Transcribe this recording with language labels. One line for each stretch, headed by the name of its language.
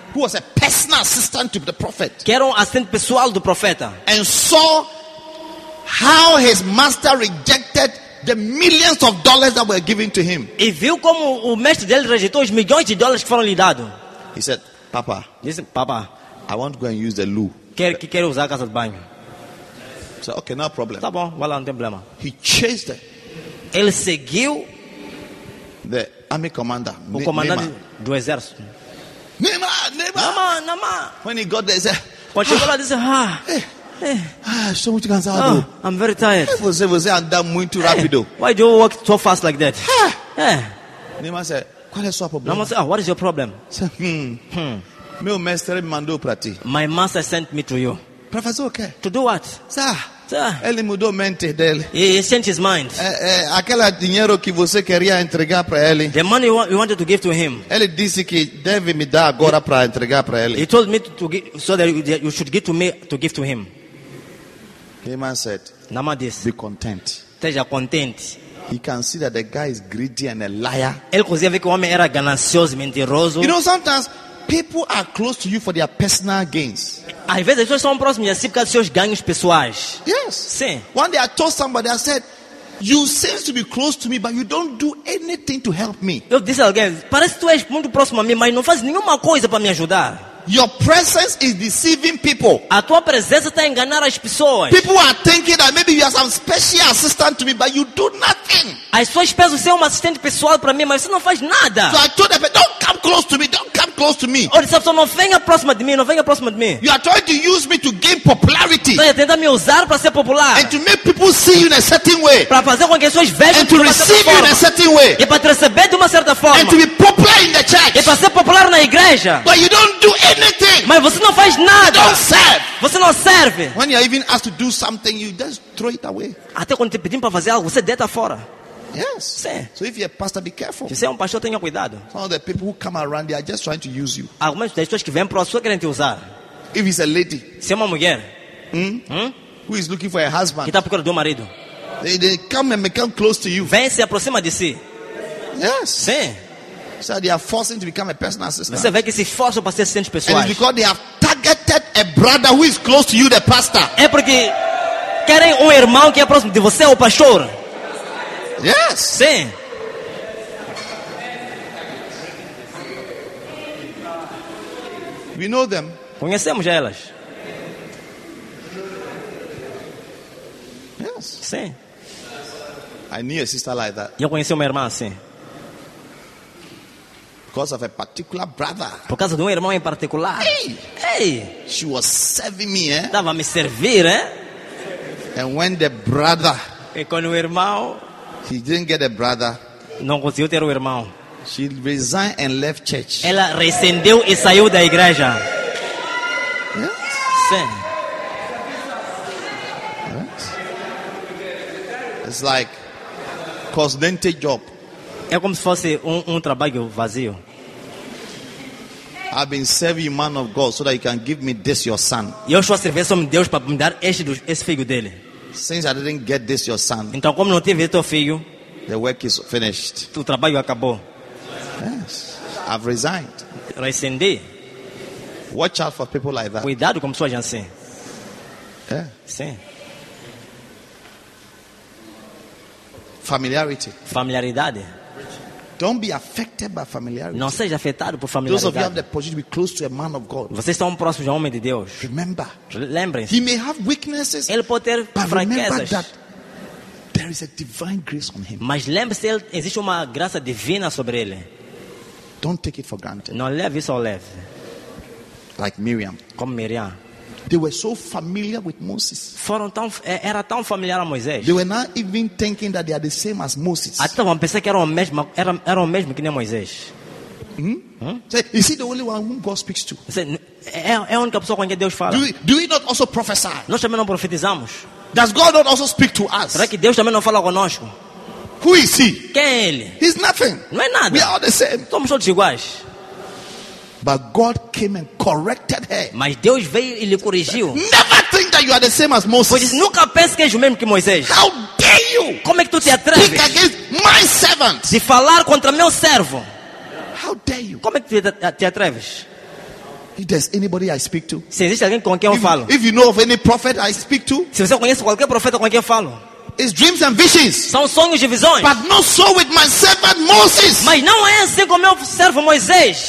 English: Who was a personal assistant to the prophet.
Portuguese: Que era um assistente pessoal do profeta.
English: And saw how his master rejected the millions of dollars that were given to him.
Portuguese: E viu como o mestre dele rejeitou os milhões de dólares que foram lhe dado.
English: He said, Papa. Listen, Papa. I want to go and use the loo.
Portuguese: Quero usar a casa de banho.
English: So, okay, no problem.
Portuguese: Tá bom, vai lá, não tem problema.
English: He chased it.
Portuguese: Ele seguiu
English: the army commander.
Portuguese: O comandante do exército.
English: Naaman. When he got there, he said,
Portuguese: quando disse, ah.
English: So much
Portuguese: cansado.
English: Oh, I'm very tired.
Portuguese: Você anda muito rápido.
English: Why do you walk so fast like that? Naaman said,
Portuguese: qual é o seu problema?
English: Naaman said, oh, what is your problem?
Portuguese: Meu mestre me mandou para ti.
English: My master sent me to you. Professor, okay. To do what?
Portuguese: Sir. Ele mudou mente dele.
English: He changed his mind.
Portuguese: Aquela dinheiro que você queria entregar para ele.
English: The money you wanted to give to him.
Portuguese: Ele disse que deve me dar agora para entregar para ele.
English: He told me to give so that you should give to me to give to him. Naaman said, Naaman this, be content.
Portuguese: Esteja
English: content. He can see that the guy is greedy and a liar.
Portuguese: Ele conseguia ver que o homem era ganancioso, mentiroso.
English: You know, sometimes people are close to you for their personal gains.
Portuguese: Às vezes as pessoas são próximas de si por causa dos seus ganhos pessoais.
English: Yes.
Portuguese: Sim.
English: One day I told somebody, I said, you seem to be close to me, but you don't do anything to help me.
Portuguese: Eu disse a alguém, parece que tu és muito próximo a mim, mas não fazes nenhuma coisa para me ajudar.
English: Your presence is deceiving people.
Portuguese: A tua presença está a enganar as pessoas.
English: People are thinking that maybe you are some special assistant to me, but you do nothing.
Portuguese: As pessoas pensam que você é um assistente pessoal para mim, mas você não faz nada.
English: So I told them, don't come close to me. Don't come close to me.
Portuguese: Oh, disse, não venha próximo de mim. Não venha próximo de mim.
English: You are trying to use me to gain popularity.
Portuguese: Você tenta me usar para ser popular.
English: And to make people see you in a certain way.
Portuguese: Para fazer com que as pessoas vejam.
English: And to receive you in a certain way.
Portuguese: E para te receber de uma certa forma.
English: And to be popular in the church.
Portuguese: E para ser popular na igreja.
English: But you don't do anything.
Portuguese: Mas você não faz nada.
English: You don't serve.
Portuguese: Você não serve.
English: When you are even asked to do something, you just throw it away.
Portuguese: Até quando te pedem para fazer algo, você deita fora.
English: Yes.
Portuguese: Sim.
English: So if you're a pastor, be careful.
Portuguese: Se você é um pastor, tenha cuidado.
English: Some of the people who come around, they are just trying to use you.
Portuguese: Algumas das pessoas que vêm para você querem te usar.
English: If it's a lady.
Portuguese: Se é uma mulher.
English: Who is looking for a husband?
Portuguese: Que está procurando um marido.
English: They come and become close to you.
Portuguese: Vem se aproxima de si.
English: Yes.
Portuguese: Sim.
English: So they are forcing to become a personal assistant.
Portuguese: Você vê que se forçam para ser assistentes pessoais.
English: And it's because they have targeted a brother who is close to you, the pastor.
Portuguese: É porque querem irmão que é próximo de você, o pastor.
English: Yes.
Portuguese: Sim.
English: We know them.
Portuguese: Conhecemos elas.
English: Yes.
Portuguese: Sim.
English: I knew a sister like that.
Portuguese: Eu conheci uma irmã assim.
English: Because of a particular brother.
Portuguese: Por causa de um irmão em particular.
English: Hey. She was serving me, eh?
Portuguese: Tava me servir, eh?
English: And when the brother.
Portuguese: E quando o irmão.
English: She didn't get a brother.
Portuguese: Não conseguiu ter o irmão.
English: She resigned and left church.
Portuguese: Ela rescindiu e saiu da igreja.
English: Yes.
Portuguese: Sim.
English: Yes. It's like constant job.
Portuguese: É como se fosse um trabalho vazio.
English: I've been serving you, man of God, so that you can give me this, your son.
Portuguese: Eu estou a servir somente Deus para me dar este filho dele.
English: Since I didn't get this, your son.
Portuguese: Então, como não tive teu filho,
English: the work is finished.
Portuguese: O trabalho acabou.
English: Yes, I've resigned.
Portuguese: Rescindi.
English: Watch out for people like that.
Portuguese: Cuidado com pessoas assim.
English: Yeah.
Portuguese: Sim.
English: Familiarity.
Portuguese: Familiaridade.
English: Don't be affected by familiarity.
Portuguese: Não seja afetado por familiaridade.
English: Those of you have the opportunity to be close to a man of God.
Portuguese: Vocês estão próximos de um homem de Deus.
English: Remember.
Portuguese: Lembrem-se.
English: He may have weaknesses.
Portuguese: Ele pode ter fraquezas.
English: But remember that there is a divine grace on him.
Portuguese: Mas lembre-se, existe uma graça divina sobre ele.
English: Don't take it for granted.
Portuguese: Não leve isso ao leve.
English: like Miriam.
Portuguese: Como Miriam.
English: They were so familiar with Moses.
Portuguese: Foram tão, era tão familiar a Moisés.
English: They were not even thinking that they are the same as Moses.
Portuguese: Até estavam a pensar que eram o mesmo, eram o mesmo que nem Moisés.
English: Is he the only one whom God speaks to?
Portuguese: É a única pessoa com quem Deus fala.
English: Do we not also prophesy?
Portuguese: Nós também não profetizamos.
English: Does God not also speak to us?
Portuguese: Será que Deus também não fala conosco?
English: Who is he?
Portuguese: Quem é ele?
English: He's nothing.
Portuguese: Não é nada.
English: We are all the same.
Portuguese: Somos todos iguais.
English: But God came and corrected her.
Portuguese: Mas Deus veio e lhe corrigiu.
English: Never think that you are the same as Moses.
Portuguese: Pois nunca pense que és o mesmo que Moisés.
English: How dare you?
Portuguese: Como é que tu te atreves?
English: Speak against my servant.
Portuguese: De falar contra meu servo.
English: How dare you?
Portuguese: Como é que tu te atreves?
English: If there's anybody I speak to.
Portuguese: Se existe alguém com quem eu falo.
English: If you know of any prophet I speak to.
Portuguese: Se você conhece qualquer profeta com quem eu falo.
English: It's dreams and visions.
Portuguese: São sonhos e visões.
English: But not so with my servant Moses.
Portuguese: Mas não é assim com meu servo Moisés.